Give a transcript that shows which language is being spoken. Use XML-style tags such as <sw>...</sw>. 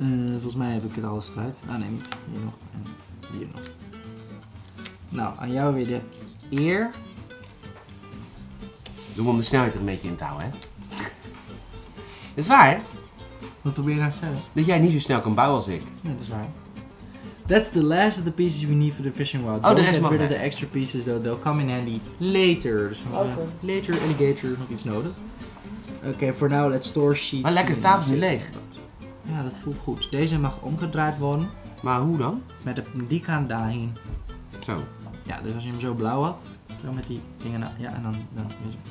<nl>Volgens mij heb ik het alles eruit. Ah nee, niet. Hier nog. En hier nog. Nou, aan jou weer de eer. Doe om de snelheid er een beetje in te houden, hè? Dat is waar, hè? Wat probeer je nou te zeggen? Dat jij niet zo snel kan bouwen als ik. Nee, dat is waar.</nl> <en>That's the last of the pieces we need for the fishing rod.</en> <nl>Oh, de rest mag weg.</nl> <en>The extra pieces, though, they'll come in handy later.</en> <nl>Dus</nl> <en>okay. Later, alligator,</en> <nl>nog iets nodig. Oké,</nl> <en>for now let's store sheets.</en> <nl>Maar lekker, tafel is leeg. Ja, dat voelt goed. Deze mag omgedraaid worden. Maar hoe dan? Met de, die kant daarheen. Zo. Ja, dus als je hem zo blauw had. Zo met die dingen. Nou, ja, en dan is het.</nl>